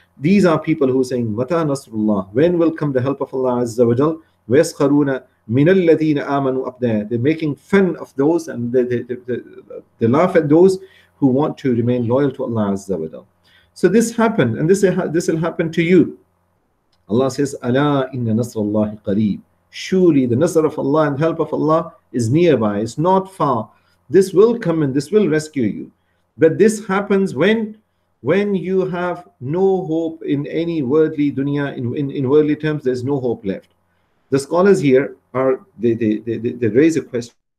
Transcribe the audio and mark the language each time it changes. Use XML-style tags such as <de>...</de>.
<en>These are people who are saying,</en> <ar>Mata Nasrullah,</ar> <en>when will come the help of Allah Azza wa Jal?</en> <ar>وَيَسْخَرُونَ مِنَ الَّذِينَ آمَنُوا.</ar> <en>Up there, they're making fun of those, and they laugh at those who want to remain loyal to Allah Azza wa Jal. So this happened, and this will happen to you. Allah says,</en> <ar>أَلَا إِنَّ نَصْرَ اللَّهِ قَرِيبٌ.</ar> <en>Surely the Nasr of Allah and help of Allah is nearby, it's not far. This will come and this will rescue you. But this happens when you have no hope in any worldly dunya, in worldly terms, there's no hope left. The scholars here are they raise a question.</en>